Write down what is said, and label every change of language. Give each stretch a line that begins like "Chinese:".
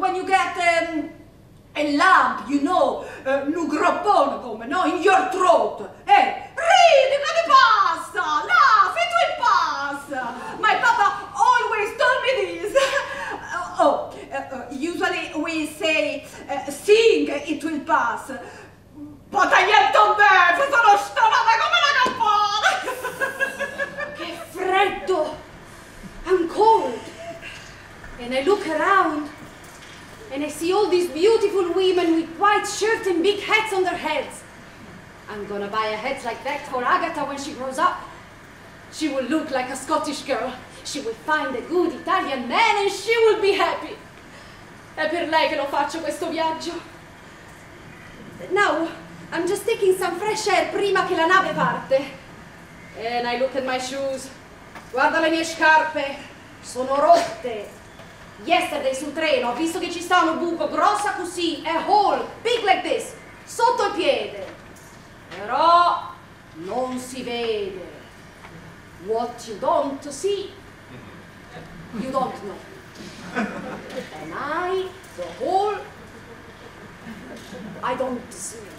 English: When you get a lump, you know, lugropone come, no? In your throat.
Italian: Ride, ma ti passa.
English: Laugh, it will pass. My papa always told me this. Usually we say, sing, it will pass. But I am too bad,
Italian: sono stonata come una campana. Che freddo.
English: I'm cold. And I look around, and I see all these beautiful women with white shirts and big hats on their heads. I'm gonna buy a hat like that for Agatha when she grows up. She will look like a Scottish girl. She will find a good Italian man and she will be happy.
Italian: È per lei che lo faccio questo viaggio.
English: Now, I'm just taking some fresh air
Italian: prima che la nave parte.
English: And I look at my shoes.
Italian: Guarda le mie scarpe. Sono rotte.
English: Yesterday
Italian: sul treno ho visto che ci sta un buco grossa così,
English: a hole, big like this,
Italian: sotto il piede. Però non si vede.
English: What you don't see, you don't know. And I, the hole, I don't see.